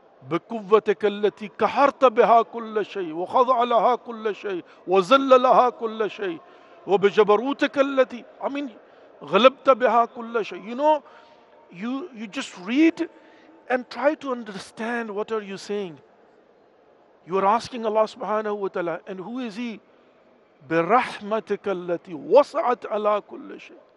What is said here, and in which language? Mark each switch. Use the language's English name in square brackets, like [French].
[Arabic] بقوتك التي كهرت بها كل شيء وخضع لها كل شيء وزل لها كل شيء وبجبروتك التي غلبت بها كل شيء. [English] You know, you just read and try to understand what are you saying. You are asking Allah subhanahu wa ta'ala, and who is he? [Arabic] برحمتك التي وسعت على كل شيء.